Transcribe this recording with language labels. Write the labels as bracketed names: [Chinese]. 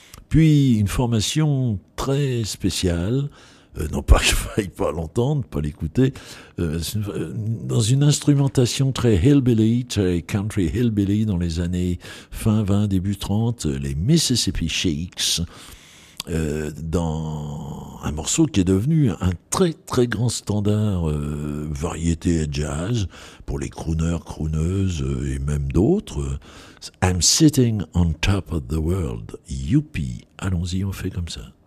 [French] Puis une formation très spéciale, non pas que je faille pas l'entendre, pas l'écouter, dans une instrumentation très hillbilly, très country hillbilly dans les années fin 20, début 30, les Mississippi Shakes, dans un morceau qui est devenu un très très grand standard variété et jazz pour les crooners, crooneuses et même d'autres. [English] I'm sitting on top of the world. [French] Youpi, allons-y, on fait comme ça.